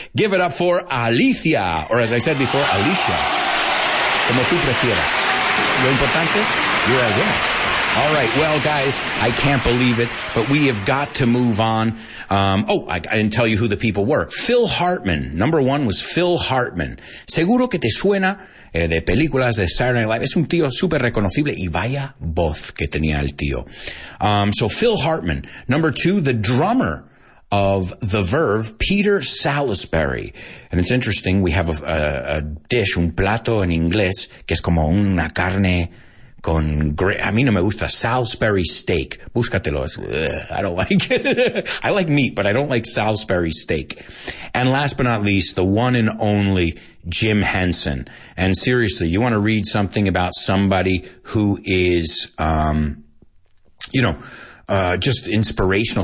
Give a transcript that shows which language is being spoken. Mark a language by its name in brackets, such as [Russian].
[English] Give it up for Alicia, or as I said before, Alicia. [Spanish] Como tú prefieras. Lo importante, [English] you're a winner. All right, well, guys, I can't believe it, but we have got to move on. I didn't tell you who the people were. Phil Hartman, number one was Phil Hartman. [Spanish] Seguro que te suena de películas de Saturday Night Live. Es un tío súper reconocible y vaya voz que tenía el tío. [English] So Phil Hartman, number two, the drummer of The Verve, Peter Salisbury. And it's interesting, we have a dish, [Spanish] un plato en inglés, que es como una carne... con a mí no me gusta Salisbury steak. Búscatelo. [English] I don't like it. I like meat, but I don't like Salisbury steak. And last but not least, the one and only Jim Henson. And seriously, you want to read something about somebody who is, just inspirational.